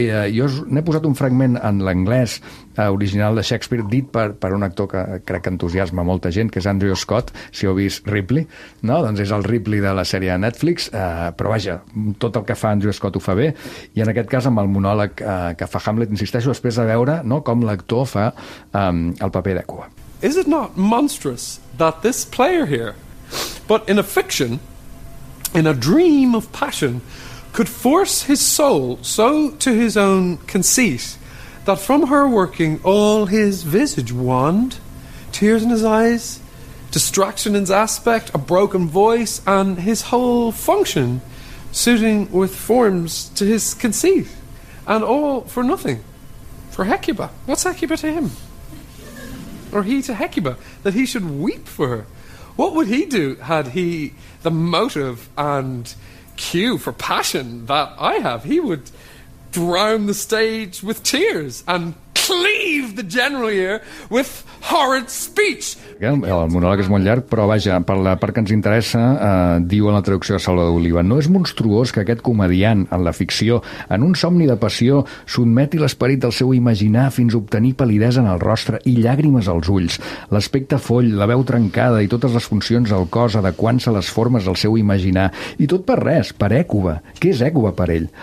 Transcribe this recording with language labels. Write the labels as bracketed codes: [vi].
[ca] Jo n'he posat un fragment en l'anglès original de Shakespeare, dit per un actor que crec que entusiasma molta gent, que és Andrew Scott, si heu vist Ripley, no? Doncs és el Ripley de la sèrie de Netflix, però vaja, tot el que fa Andrew Scott ho fa bé, i en aquest cas amb el monòleg que fa Hamlet, insisteixo, després de veure, no, com l'actor fa el paper d'Hècuba. [en] Is it not monstrous that this player here, but in a fiction, in a dream of passion, could force his soul so to his own conceit that from her working all his visage wand, tears in his eyes, distraction in his aspect, a broken voice, and his whole function suiting with forms to his conceit, and all for nothing, for Hecuba. What's Hecuba to him? Or he to Hecuba, that he should weep for her? What would he do had he the motive and cue for passion that I have? He would drown the stage with tears and cleave the general ear with horrid speech. [ca] El monòleg és molt llarg, però vaja, per la part que ens interessa, diu en la traducció de Salvador Oliva, no és monstruós que aquest comediant, en la ficció, en un somni de passió, sotmeti l'esperit del seu imaginar fins a obtenir palidesa en el rostre i llàgrimes als ulls, l'aspecte foll, la veu trencada i totes les funcions del cos adequant-se a les formes del seu imaginar, i tot per res, per Hècuba. Què és Hècuba per ell?